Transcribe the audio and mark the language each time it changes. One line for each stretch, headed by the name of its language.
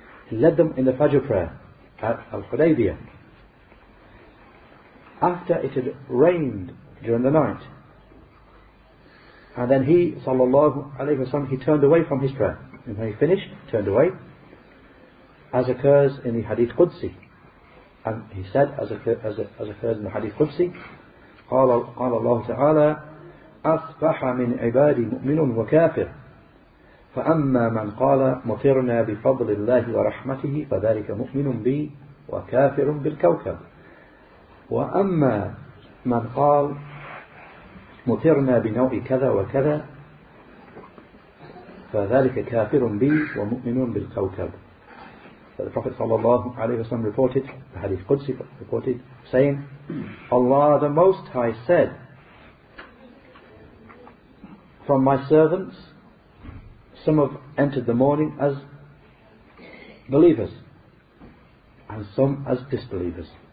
English: He led them in the Fajr prayer at Al-Hudaybiyah, after it had rained during the night. And then he, sallallahu alayhi wa sallam, he turned away from his prayer. And when he finished, turned away, as occurs in the Hadith Qudsi. And he said, as occurs in the Hadith Qudsi,
Arabic: قال الله تعالى أصبح من عبادي مؤمن وكافر فأما من قال مطرنا بفضل الله ورحمته فذلك مؤمن بي وكافر بالكوكب وأما من قال مطرنا بنوع كذا وكذا فذلك كافر بي ومؤمن بالكوكب.
English: So the Prophet sallallahu alayhi wa sallam reported, the Hadith Qudsi reported, saying, Allah the Most High said, from my servants, some have entered the morning as believers, and some as disbelievers.